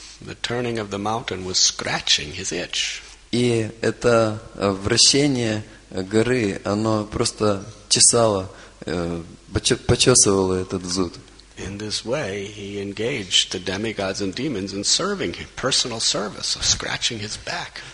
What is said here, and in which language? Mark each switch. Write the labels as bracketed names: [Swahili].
[English] The turning of the mountain was scratching his itch. [Russian] И это вращение горы, оно просто чесало, почесывало этот зуд. [English] In this way, he engaged the demigods and demons in serving him, personal service of scratching his back.